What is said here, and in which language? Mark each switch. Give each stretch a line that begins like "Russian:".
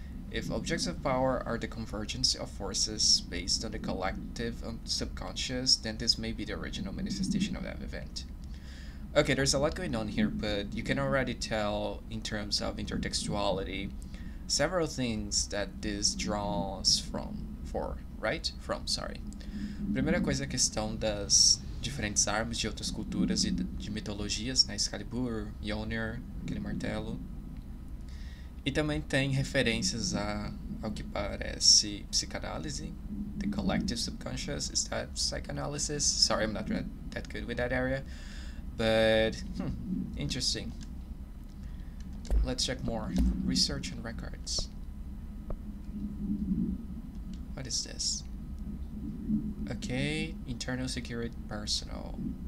English: If objects of power are the convergence of forces based on the collective subconscious, then this may be the original manifestation of that event. Okay, there's a lot going on here, but you can already tell in terms of intertextuality several things that this draws from, for, right? From, sorry.
Portuguese: Primeira coisa, a questão das diferentes armas de outras culturas e de mitologias, né? Excalibur, Mjolnir, aquele martelo. E também tem referências a, ao que parece, psicanálise.
English: The collective subconscious, is that psychoanalysis? Sorry, I'm not that good with that area. But, interesting. Let's check more. Research and records. What is this? Okay, internal security personnel.